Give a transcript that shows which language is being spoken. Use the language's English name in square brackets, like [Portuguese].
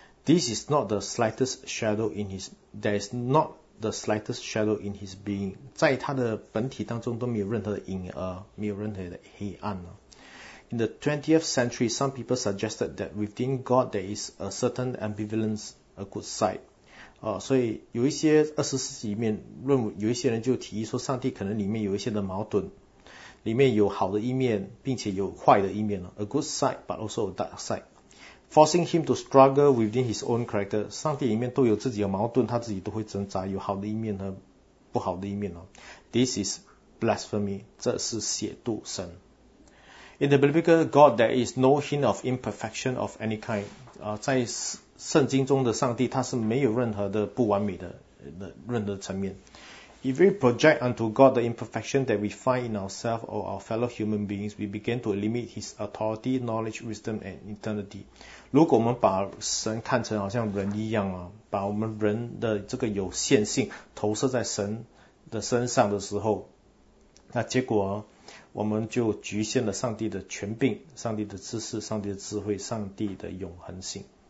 [English] This is not the slightest shadow in his, there is not the slightest shadow in his being. [Chinese] 在他的本体当中都没有任何的影儿，没有任何的黑暗呢。 [English] In the 20th century, some people suggested that within God there is a certain ambivalence, a good side. [Chinese] 所以有一些20世纪里面有一些人就提议说，上帝可能里面有一些的矛盾。里面有好的一面，并且有坏的一面， [English] a good side but also a dark side, forcing him to struggle within his own character。 [Chinese] 上帝里面都有自己的矛盾，他自己都会挣扎，有好的一面和不好的一面。 [English] This is blasphemy, [Chinese] 这是亵渎神。 [English] In the biblical God, there is no hint of imperfection of any kind。 [Chinese] 在圣经中的上帝，他是没有任何的不完美的任何层面。 [English] If we project unto God the imperfection that we find in ourselves or our fellow human beings, we begin to limit His authority, knowledge, wisdom, and eternity. [Chinese] 如果我们把神看成好像人一样，把我们人的这个有限性投射在神的身上的时候，那结果我们就局限了上帝的权柄、上帝的知识、上帝的智慧、上帝的永恒性。